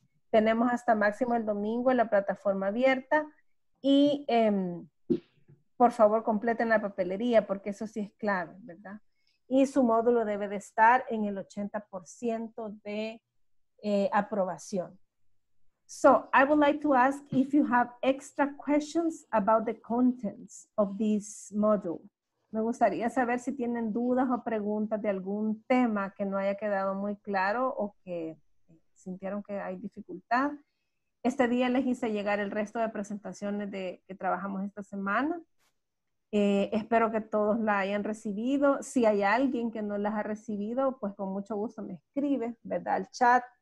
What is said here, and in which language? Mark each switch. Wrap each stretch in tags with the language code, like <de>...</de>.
<es>Tenemos hasta máximo el domingo en la plataforma abierta. Y, por favor, completen la papelería, porque eso sí es clave, ¿verdad? Y su módulo debe de estar en el 80% de aprobación.</es> <en>So, I would like to ask if you have extra questions about the contents of this module.</en> <es>Me gustaría saber si tienen dudas o preguntas de algún tema que no haya quedado muy claro o que sintieron que hay dificultad. Este día les hice llegar el resto de presentaciones de que trabajamos esta semana. Espero que todos la hayan recibido. Si hay alguien que no las ha recibido, pues con mucho gusto me escribe, ¿verdad? Al chat.</es>